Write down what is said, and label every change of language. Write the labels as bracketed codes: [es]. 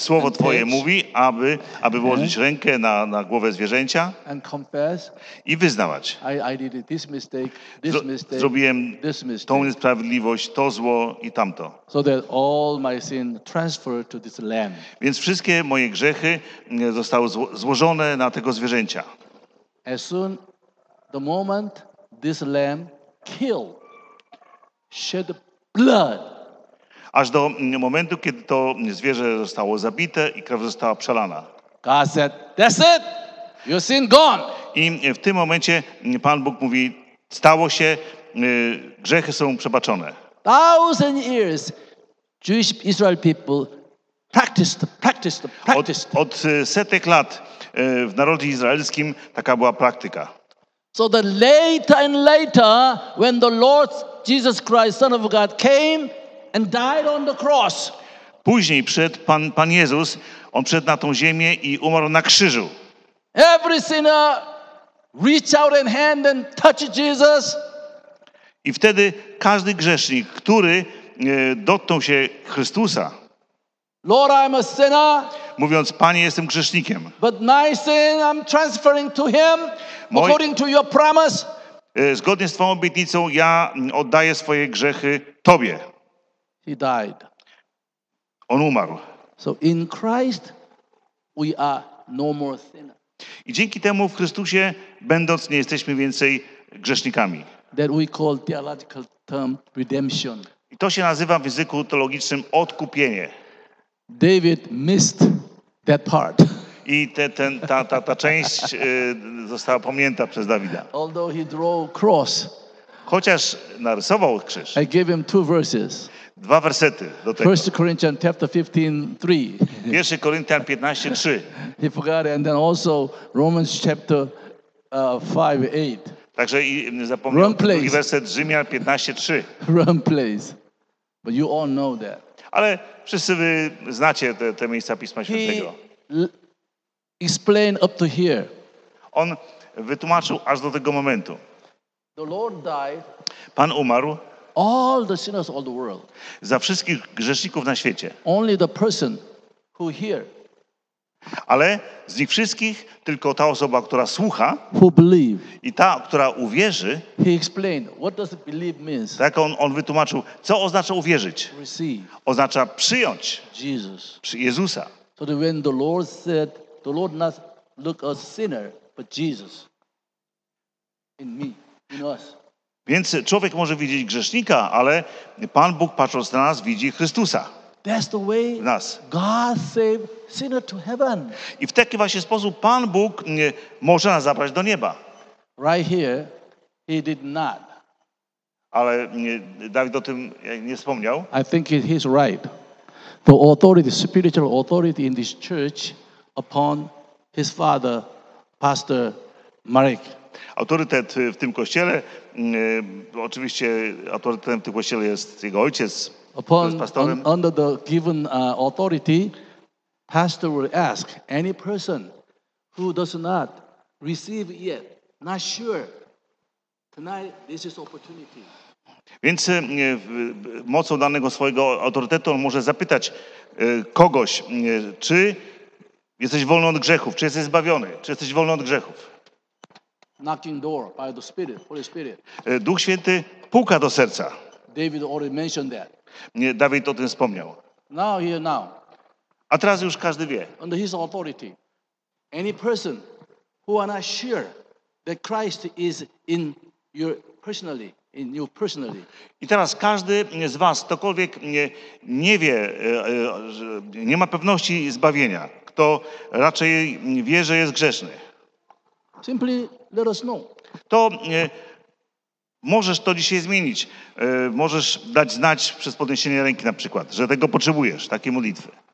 [pl] Słowo Twoje mówi, aby włożyć rękę na głowę zwierzęcia [en] and confess. [pl] I wyznawać. [en] I did this mistake, this mistake, [pl] zrobiłem [en] this mistake. [pl] Tą niesprawiedliwość, to zło i tamto. [en] So that all my sin transferred to this lamb. [pl] Więc wszystkie moje grzechy zostały złożone na tego zwierzęcia. [en] As soon the moment this lamb killed, shed blood. [pl] Aż do momentu, kiedy to zwierzę zostało zabite i krew została przelana. [en] God said, "That's it. Your sin gone." [pl] I w tym momencie Pan Bóg mówi, stało się, grzechy są przebaczone. [en] Thousand years, Jewish Israel people practiced. [pl] Od setek lat w narodzie izraelskim taka była praktyka. [en] So that later and later, when the Lord Jesus Christ, Son of God, came and died on the cross. [pl] Później przyszedł Pan Jezus, on przyszedł na tą ziemię i umarł na krzyżu. [en] Every sinner reach out in hand and touch Jesus. [pl] I wtedy każdy grzesznik, który dotknął się Chrystusa, [en] Lord, I'm a sinner, [pl] mówiąc, Panie, jestem grzesznikiem. [en] But my sin I'm transferring to him according to your promise. [pl] Zgodnie z Twoją obietnicą ja oddaję swoje grzechy Tobie. [en] He died. [pl] On umarł. [en] So in Christ we are no more sinners. [pl] I dzięki temu w Chrystusie będąc nie jesteśmy więcej grzesznikami. [en] That we call theological term redemption. [pl] I to się nazywa w języku teologicznym odkupienie. [en] David missed that part. [pl] I ta część została pominięta przez Dawida. [en] Although he drew cross. [pl] Chociaż narysował krzyż. [en] I gave him two verses. [pl] Dwa wersety do tego. [en] First Corinthians chapter 15:3. [pl] Pierwszy Koryntian 15:3. [en] He forgot it. And then also Romans chapter 5:8. [pl] Także i zapomniał drugi werset Rzymian 15:3. [en] Wrong place. But you all know that. [pl] Ale wszyscy wy znacie te miejsca Pisma Świętego. [en] Explain up to here. [pl] On wytłumaczył aż do tego momentu. [en] The Lord died. [pl] Pan umarł. [en] All the sinners of the world. [pl] Za wszystkich grzeszników na świecie. [en] Only the person who hear. [pl] Ale z nich wszystkich tylko ta osoba, która słucha, [en] who believe. [pl] I ta, która uwierzy. [en] He explained what does believe means. [pl] Tak on wytłumaczył, co oznacza uwierzyć. [en] Receive. [pl] Oznacza przyjąć. [en] Jesus. [pl] Jezusa. [en] So that when the Lord said, the Lord not look a sinner, but Jesus in me, in us. [pl] Więc człowiek może widzieć grzesznika, ale Pan Bóg patrząc na nas widzi Chrystusa w nas. [en] God saved sinner to heaven. [pl] I w taki właśnie sposób Pan Bóg może nas zabrać do nieba. [en] Right here, he did not. [pl] Ale Dawid o tym nie wspomniał. [en] I think he's right. The authority, the spiritual authority in this church upon his father, Pastor Marek. [pl] Autorytet w tym kościele, oczywiście autorytetem w tym kościele jest jego ojciec, [en] upon, [pl] jest pastorem. [en] Under the given authority, pastor will ask any person who does not receive yet, not sure, tonight this is opportunity. [pl] Więc mocą danego swojego autorytetu on może zapytać kogoś, czy jesteś wolny od grzechów, czy jesteś zbawiony, czy jesteś wolny od grzechów. [en] Knocking door by the Spirit, Holy Spirit. [pl] Duch Święty puka do serca. [en] David already mentioned that. [pl] Dawid o tym wspomniał. [en] Now here now. [pl] A teraz już każdy wie. [en] Under his authority, any person who are not sure that Christ is in your personally, in you personally. [pl] I teraz każdy z was, ktokolwiek nie wie, nie ma pewności zbawienia, kto raczej wie, że jest grzeszny. Simply let us know. To możesz to dzisiaj zmienić. Możesz dać znać przez podniesienie ręki na przykład, że tego potrzebujesz, takiej modlitwy.